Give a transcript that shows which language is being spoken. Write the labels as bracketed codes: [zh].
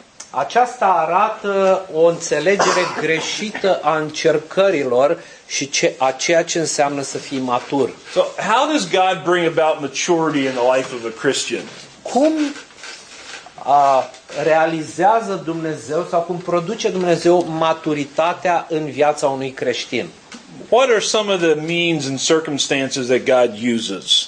[ro] Aceasta arată o înțelegere greșită a încercărilor și a ceea ce înseamnă să fii matur. [en] So, how does God bring about maturity in the life of a Christian? [ro] Cum realizează Dumnezeu sau cum produce Dumnezeu maturitatea în viața unui creștin? [en] What are some of the means and circumstances that God uses?